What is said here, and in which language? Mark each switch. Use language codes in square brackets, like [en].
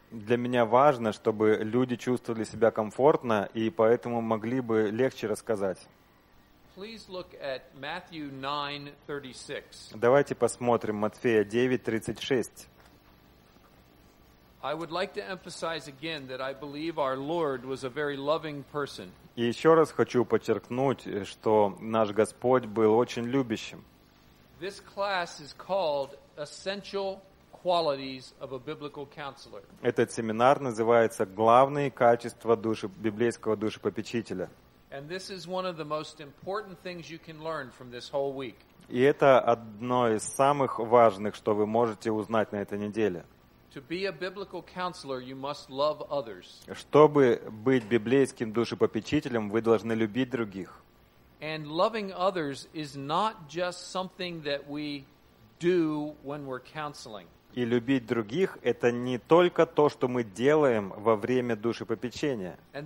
[ru] Для меня важно, чтобы люди чувствовали себя комфортно и поэтому могли бы легче рассказать. [en] Please look at Matthew 9:36. [ru] Давайте посмотрим Матфея 9:36. [en] I would like to emphasize again that I believe our Lord was a very loving person. [ru] И ещё раз хочу подчеркнуть, что наш Господь был очень любящим. [en] This class is called Essential Qualities of a Biblical Counselor. [ru] Этот семинар называется «Главные качества библейского душепопечителя». [en] And this is one of the most important things you can learn from this whole week. [ru] И это одно из самых важных, что вы можете узнать на этой неделе. [en] To be a biblical counselor, you must love others. [ru] Чтобы быть библейским душепопечителем, вы должны любить других. [en] And loving others is not just something that we do when we're counseling. [ru] И любить других – это не только то, что мы делаем во время душепопечения.